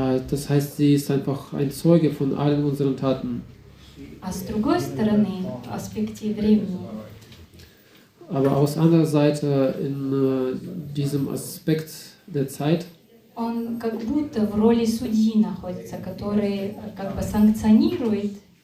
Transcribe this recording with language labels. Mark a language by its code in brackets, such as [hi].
[de] Das heißt, sie ist einfach ein Zeuge von allen unseren Taten. [ru] А с другой стороны, в аспекте времени. [de] Aber aus anderer Seite, in diesem Aspekt der Zeit. [ru] Он как будто в роли судьи находится, который как бы санкционирует.